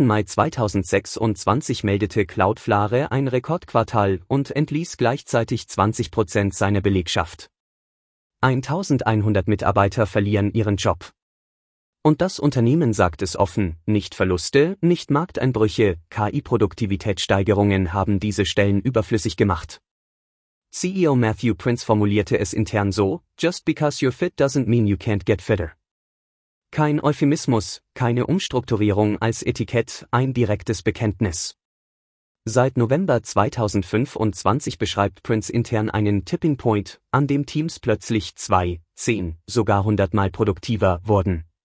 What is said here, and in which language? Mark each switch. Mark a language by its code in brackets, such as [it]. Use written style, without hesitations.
[de] Mai 2026 meldete Cloudflare ein Rekordquartal und entließ gleichzeitig 20% seiner Belegschaft. 1100 Mitarbeiter verlieren ihren Job. Und das Unternehmen sagt es offen, nicht Verluste, nicht Markteinbrüche, KI-Produktivitätssteigerungen haben diese Stellen überflüssig gemacht. [en] CEO Matthew Prince [de] formulierte es intern so, [en] "Just because you're fit doesn't mean you can't get fitter." [de] Kein Euphemismus, keine Umstrukturierung als Etikett, ein direktes Bekenntnis. Seit November 2025 beschreibt Prince intern einen Tipping Point, an dem Teams plötzlich 2, 10, sogar 100-mal produktiver wurden.